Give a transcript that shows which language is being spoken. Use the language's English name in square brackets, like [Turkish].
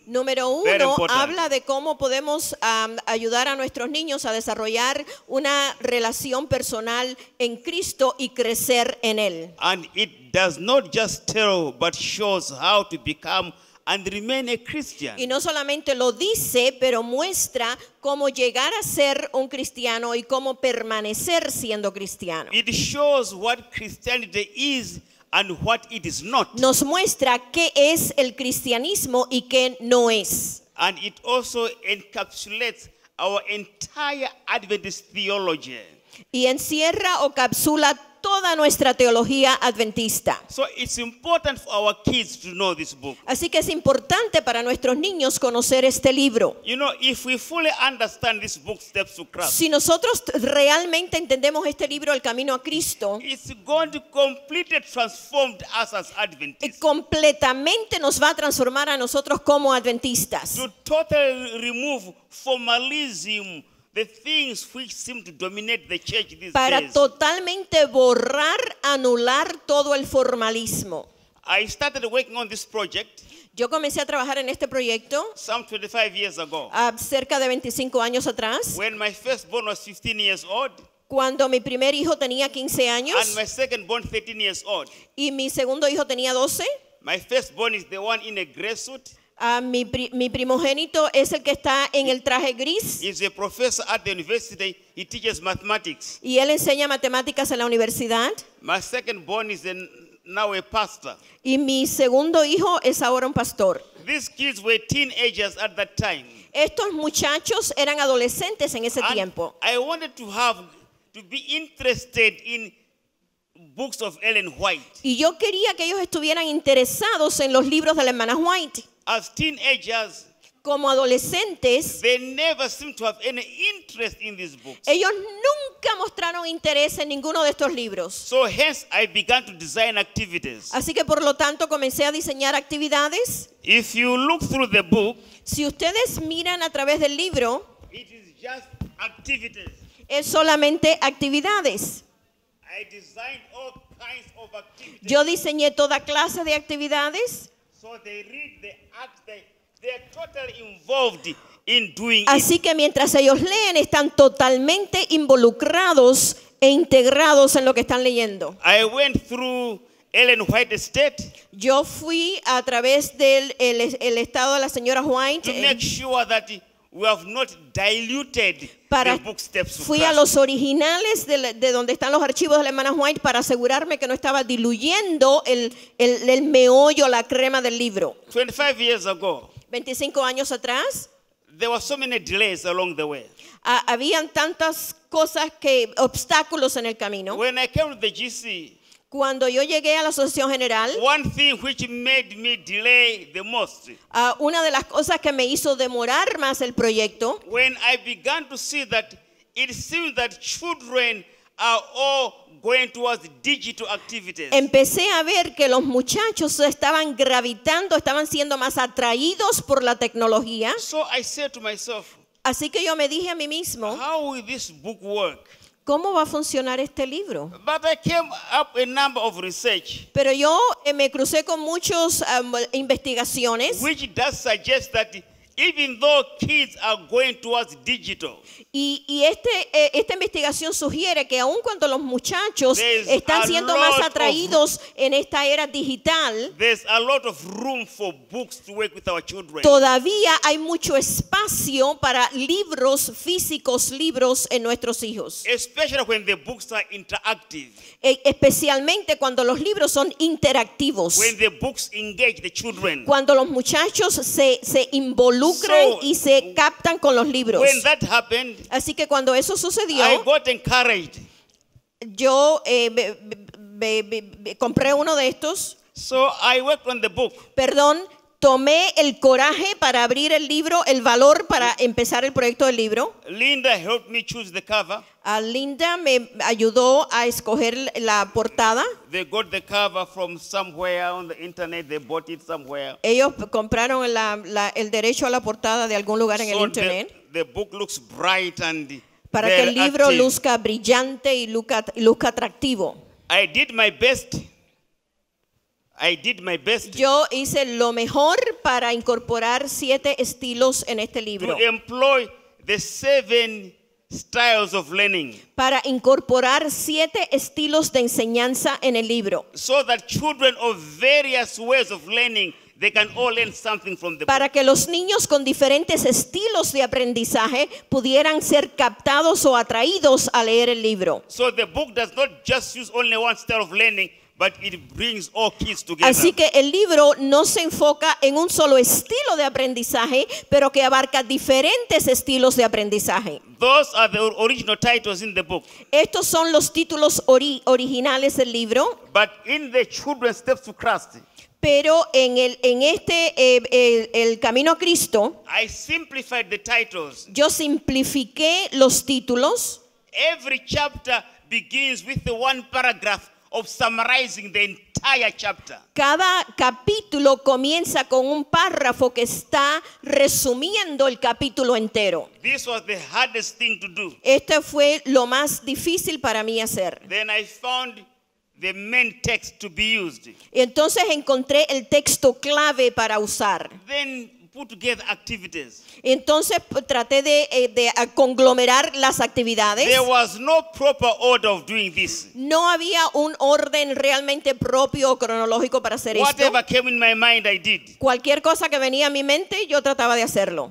[Spanish] Número uno habla de cómo podemos ayudar a nuestros niños a desarrollar una relación personal en Cristo y crecer en Él. [English] And it does not just tell, but shows how to become and remain a Christian. [Spanish] Y no solamente lo dice, pero muestra cómo llegar a ser un cristiano y cómo permanecer siendo cristiano. [English] It shows what Christianity is and what it is not. [Spanish] Nos muestra qué es el cristianismo y qué no es. [English] And it also encapsulates our entire Adventist theology. [Spanish] Y encierra o capsula toda nuestra teología adventista. [English] So it's important for our kids to know this book. [Spanish] Así que es importante para nuestros niños conocer este libro. [English] You know, if we fully understand this book, Steps to Christ, [Spanish] si nosotros realmente entendemos este libro, El Camino a Cristo, [English] it's going to completely transform us as Adventists. [Spanish] Completamente nos va a transformar a nosotros como adventistas. [English] To totally remove formalism, the things which seem to dominate the church these days. [Spanish] Para totalmente borrar, anular todo el formalismo. [English] I started working on this project. [Spanish] Yo comencé a trabajar en este proyecto. [English] Some 25 years ago. [Spanish] Cerca de 25 años atrás. [English] When my firstborn was 15 years old. [Spanish] Cuando mi primer hijo tenía 15 años. [English] And my secondborn 13 years old. [Spanish] Y mi segundo hijo tenía 12. [English] My firstborn is the one in a gray suit. [Spanish] Mi primogénito es el que está en el traje gris. [English] He's a professor at the university. He teaches mathematics. [Spanish] Y él enseña matemáticas en la universidad. [English] My second born is now a pastor. [Spanish] Y mi segundo hijo es ahora un pastor. [English] These kids were teenagers at that time. [Spanish] Estos muchachos eran adolescentes en ese [English] and [Spanish] tiempo. [English] I wanted to be interested in books of Ellen White. [Spanish] Y yo quería que ellos estuvieran interesados en los libros de la hermana White. [English] As teenagers, [Spanish] como adolescentes, [English] they never seem to have any interest in these books. [Spanish] Ellos nunca mostraron interés en ninguno de estos libros. [English] So hence I began to design activities. [Spanish] Así que por lo tanto comencé a diseñar actividades. [English] If you look through the book, [Spanish] si ustedes miran a través del libro, [English] it is just activities. [Spanish] Es solamente actividades. [English] I designed all kinds of activities. [Spanish] Yo diseñé toda clase de actividades. [English] So they read the acts they They are totally involved in doing [Spanish] Así [English] it. [Spanish] Que mientras ellos leen, están totalmente involucrados e integrados en lo que están leyendo. [English] I went through Ellen White estate. [Spanish] Yo fui a través del el estado de la señora White. [English] To make sure that we have not diluted [Spanish] para, [English] the book steps. [Spanish] Fui a los originales de donde están los archivos de la hermana White para asegurarme que no estaba diluyendo el meollo, la crema del libro. [English] 25 years ago. [Spanish] 25 años atrás, [English] there were so many delays along the way. [Spanish] Habían tantas cosas que obstáculos en el camino. [English] When I came to the GC, [Spanish] cuando yo llegué a la Asociación General, [English] one thing which made me delay the most, [Spanish] una de las cosas que me hizo demorar más el proyecto, [English] when I began to see that it seemed that children are all going towards digital activities. [Spanish] Empecé a ver que los muchachos estaban gravitando, estaban siendo más atraídos por la tecnología. [English] So I said to myself, [Spanish] así que yo me dije a mí mismo, [English] how will this book work? [Spanish] ¿Cómo va a funcionar este libro? [English] But I came up a number of research, [Spanish] pero yo me crucé con muchas investigaciones, [English] which does suggest that even though kids are going towards digital, [Spanish] y esta investigación sugiere que aun cuando los muchachos están siendo más atraídos en esta era digital, [English] there's a lot of room for books to work with our children. [Spanish] Todavía hay mucho espacio para libros físicos, libros en nuestros hijos. [English] Especially when the books are interactive. [Spanish] Especialmente cuando los libros son interactivos. [English] When the books engage the children. [Spanish] Cuando los muchachos se involucran y se captan con los libros. [English] When that happened, [Spanish] así que cuando eso sucedió, [English] I got encouraged. [Spanish] Yo me compré uno de estos. [English] So I worked on the book. [Spanish] Perdón, tomé el coraje para abrir el libro, el valor para empezar el proyecto del libro. [English] Linda helped me choose the cover. [Spanish] Linda me ayudó a escoger la portada. [English] They got the cover from somewhere on the internet. They bought it somewhere. [Spanish] Ellos compraron el derecho a la portada de algún lugar en el internet. [English] The book looks bright and [Spanish] para que el libro [English] active. [Spanish] Luzca brillante y luzca atractivo. [English] I did my best. I did my best. [Spanish] Yo hice lo mejor para incorporar 7 estilos en este libro. [English] To employ the 7 styles of learning. [Spanish] Para incorporar 7 estilos de enseñanza en el libro. [English] So that children of various ways of learning, they can all learn something from the book. [Spanish] Para que los niños con diferentes estilos de aprendizaje pudieran ser captados o atraídos a leer el libro. [English] So the book does not just use only one style of learning, but it brings all kids together. [Spanish] Así que el libro no se enfoca en un solo estilo de aprendizaje, pero que abarca diferentes estilos de aprendizaje. [English] Those are the original titles in the book. [Spanish] Estos son los títulos originales del libro. [English] But in the children's steps to Christ, [Spanish] pero en el camino a Cristo, [English] I simplified the titles. [Spanish] Yo simplifiqué los títulos. [English] Every chapter begins with the one paragraph of summarizing the entire chapter. [Spanish] Cada capítulo comienza con un párrafo que está resumiendo el capítulo entero. [English] This was the hardest thing to do. [Spanish] Este fue lo más difícil para mí hacer. [English] Then I found the main text to be used. [Spanish] Y entonces encontré el texto clave para usar. [English] Then put together activities. [Spanish] Y entonces traté de conglomerar las actividades. [English] There was no proper order of doing this. [Spanish] No había un orden realmente propio o cronológico para hacer [English] Whatever [Spanish] esto. [English] Whatever came in my mind, I did. [Spanish] Cualquier cosa que venía a mi mente, yo trataba de hacerlo.